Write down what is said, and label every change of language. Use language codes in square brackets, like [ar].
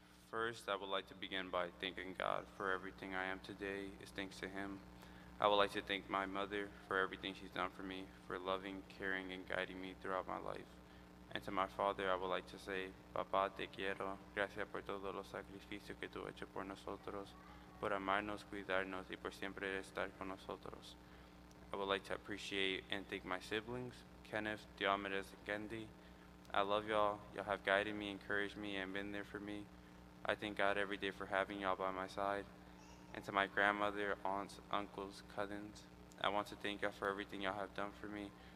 [en] First, I would like to begin by thanking God for everything I am today. It's thanks to Him. I would like to thank my mother for everything she's done for me, for loving, caring, and guiding me throughout my life. And to my father, I would like to say, [es] Papa, te quiero. Gracias por todos los sacrificios que tú has hecho por nosotros, por amarnos, cuidarnos, y por siempre estar con nosotros. [en] I would like to appreciate and thank my siblings, Kenneth, Diomedes, and Gendy. I love y'all. Y'all have guided me, encouraged me, and been there for me. I thank God every day for having y'all by my side. And to my grandmother, aunts, uncles, cousins, I want to thank y'all for everything y'all have done for me.